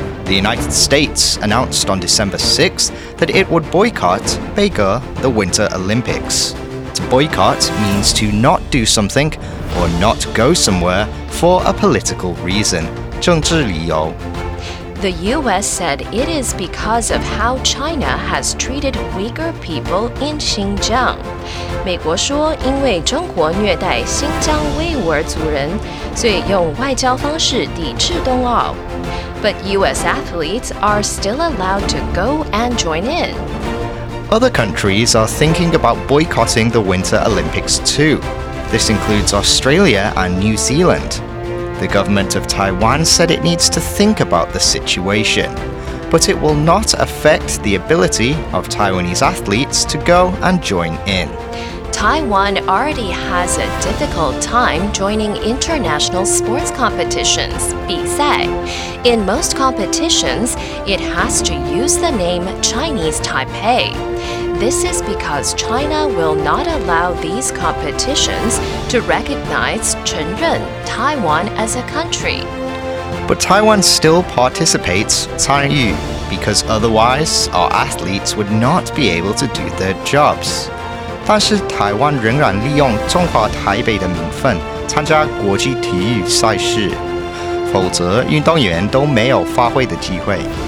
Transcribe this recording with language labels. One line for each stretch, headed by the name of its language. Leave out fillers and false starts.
English: The United States announced on December 6th that it would boycott, 杯葛, the Winter Olympics. Boycott means to not do something or not go somewhere for a political reason.
Chinese: 政治理由
English: The US said it is because of how China has treated Uyghur people in Xinjiang.
Chinese: 美国说因为中国虐待新疆维吾尔族人，所以用外交方式抵制冬奥。
English: But US athletes are still allowed to go and join in. Other countries are thinking about boycotting the Winter Olympics too. This includes Australia and New Zealand. The government of Taiwan said it needs to think about the situation, but it will not affect the ability of Taiwanese athletes to go and join in. Taiwan already has a difficult time joining international sports competitions, 比赛. In most competitions, it has to use the name Chinese Taipei. This is because China will not allow these competitions to recognize 承认 Taiwan as a country. But Taiwan still participates 参与 because otherwise our athletes would not be able to do their jobs.
Chinese: 但是台湾仍然利用中华台北的名分参加国际体育赛事，否则运动员都没有发挥的机会。